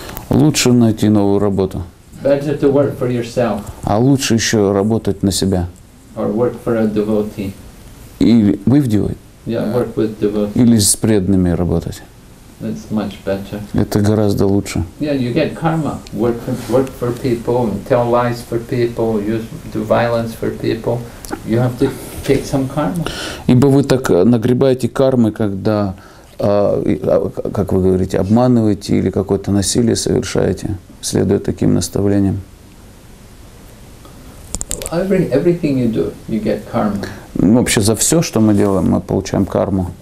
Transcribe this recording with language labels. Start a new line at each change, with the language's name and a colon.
Russian: Лучше найти новую работу.
English: Better to work for yourself.
Russian: А лучше еще работать на себя.
English: Or work for a devotee.
Russian: Или вы в девой?
English: Yeah, work with devotees.
Russian: Или с преданными работать?
English: That's much better.
Russian: Это гораздо лучше.
English: Yeah, you get karma. Work for people, tell lies for people, do violence for people. You have to take some karma.
Russian: Ибо вы так нагребаете кармы, когда, как вы говорите, обманываете или какое-то насилие совершаете, следуя таким наставлениям.
English: Everything you do, you get karma.
Russian: Вообще за все, что мы делаем, мы получаем карму.